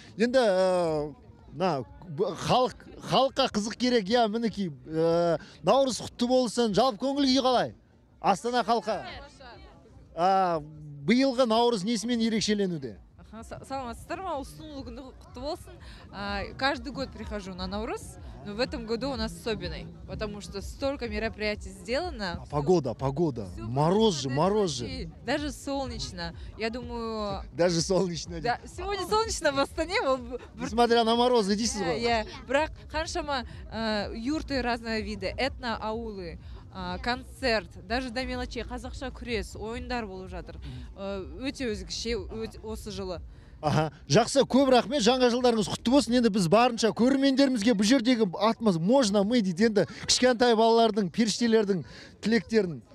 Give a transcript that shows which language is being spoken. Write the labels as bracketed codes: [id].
[kk] Енді халыққа қызық керек, иә, мінекей наурыз құтты болсын, жалпы көңіл күй қалай Астана халқы? биылғы наурыз несімен ерекшеленуде? Саламатсыздар ма, ұстынулы күнді құтты болсын. [ru] Каждый год прихожу на наурыз, но в этом году он особенный, потому что столько мероприятий сделано. А погода, все мороз же. Даже солнечно, я думаю... Даже солнечно. Да, сегодня солнечно в Астане. Несмотря на морозы, иди сюда. Я брак, ханшама, юрты разные виды, этно-аулы. [kk] Концерт, [ru] даже до мелочей, [kk] қазақша күрес, ойындар болып жатыр. Өте өзгеше, осы жылы. Ага, жақсы, көп рахмет, жаңа жылдарыңыз құтты болсын. Енді біз барынша көрермендерімізге бұл жердегі атымыз можна мы дейді. Енді кішкентай балалардың, періштелердің тілектерін.